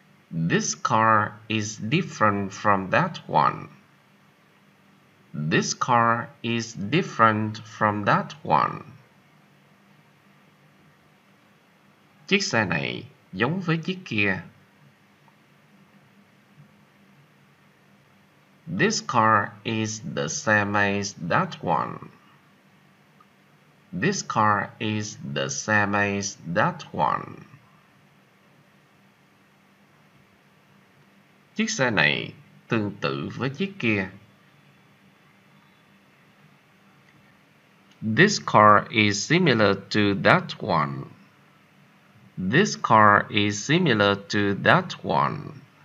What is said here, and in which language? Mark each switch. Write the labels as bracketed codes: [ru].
[en] This car is different from that one. This car is different from that one. [vi] Chiếc xe này giống với chiếc kia. [en] This car is the same as that one. This car is the same as that one. [vi] Chiếc xe này tương tự với chiếc kia. [en] This car is similar to that one. This car is similar to that one.